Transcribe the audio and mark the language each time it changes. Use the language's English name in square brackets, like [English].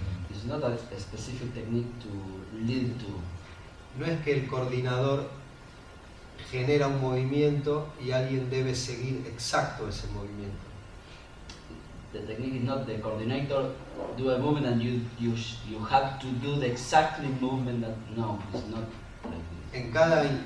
[English] It's not a specific technique to lead to. [Spanish] No es que el coordinador genera un movimiento y alguien debe seguir exacto ese movimiento. [English] The technique is not the coordinator do a movement and you have to do the exact movement that, no, it's not like this.